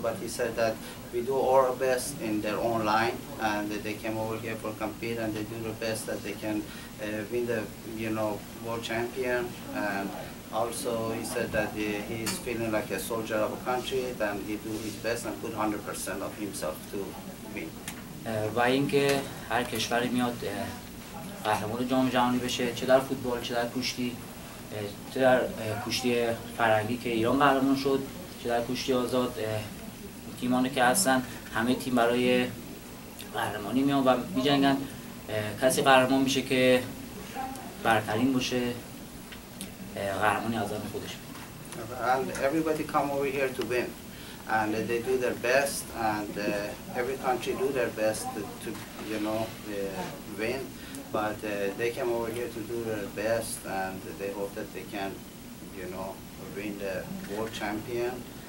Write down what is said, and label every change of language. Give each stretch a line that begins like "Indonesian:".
English: But he said that we do our best in their own line, and they came over here for compete, and they do the best that they can win the world champion. And also he said that he is feeling like a soldier of a country, and he do his best and put 100% of himself to win.
Persian: و اینکه هر کشوری میاد قهرمان جام جهانی بشه، چه در فوتبال چه در کشتی، چه در کشتی فرنگی که ایران قهرمان شد، چه در کشتی آزاد، تیمانی که هستن همه تیم برای قهرمانی میان و میجنگن، کسی قهرمان میشه که برترین باشه، قهرمانی از آن خودش.
English: And everybody come over here to win. And they do their best, and every country do their best to win. But they came over here to do their best, and they hope that they can, win the world champion.